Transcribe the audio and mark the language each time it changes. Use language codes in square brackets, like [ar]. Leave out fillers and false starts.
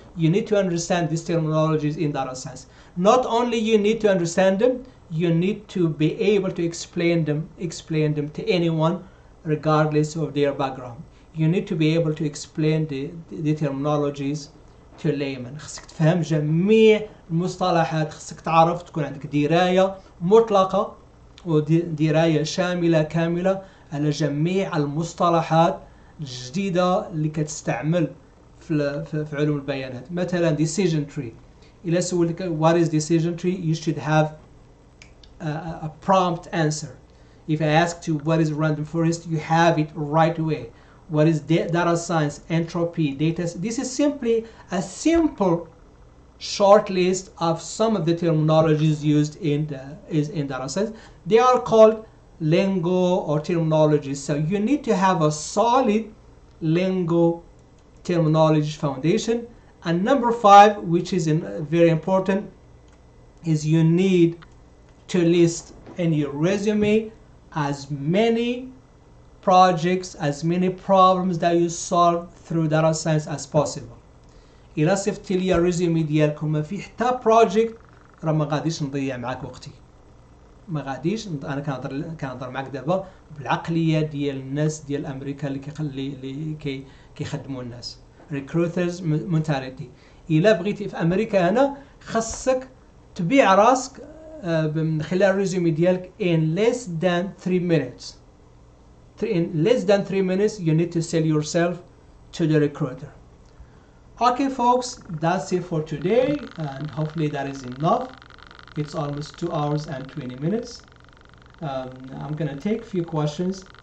[en] You need to understand these terminologies in data science. Not only you need to understand them, you need to be able to explain them to anyone, regardless of their background. You need to be able to explain the terminologies to layman. [ar] خصك تفهم جميع المصطلحات. خصك تعرف تكون عندك دراية مطلقة ودراية شاملة كاملة على جميع المصطلحات الجديدة اللي كتستعمل في علوم البيانات. [en] مثلا decision tree. [ar] إذا سولك [en] what is decision tree, you should have a prompt answer. If I asked you what is random forest, you have it right away. What is data science, entropy, data. This is simply a simple short list of some of the terminologies used in data science. They are called lingo or terminology. So you need to have a solid lingo terminology foundation. And number five, which is very important, is you need to list in your resume as many projects, as many problems that you solve through data science as possible. [ar] إلا صفت لي الريزومي ديالكم ما فيه حتى بروجيكت راه ما غاديش نضيع معاك وقتي. ما غاديش انا كنهضر معاك دابا بالعقليه ديال الناس ديال امريكا اللي كيخدموا الناس [en] Recruiters mentality. [ar] الا بغيتي في امريكا هنا خصك تبيع راسك من خلال الريزومي ديالك [en] in less than 3 minutes. In less than 3 minutes you need to sell yourself to the recruiter. Okay folks, that's it for today and hopefully that is enough. It's almost 2 hours and 20 minutes. I'm gonna take a few questions.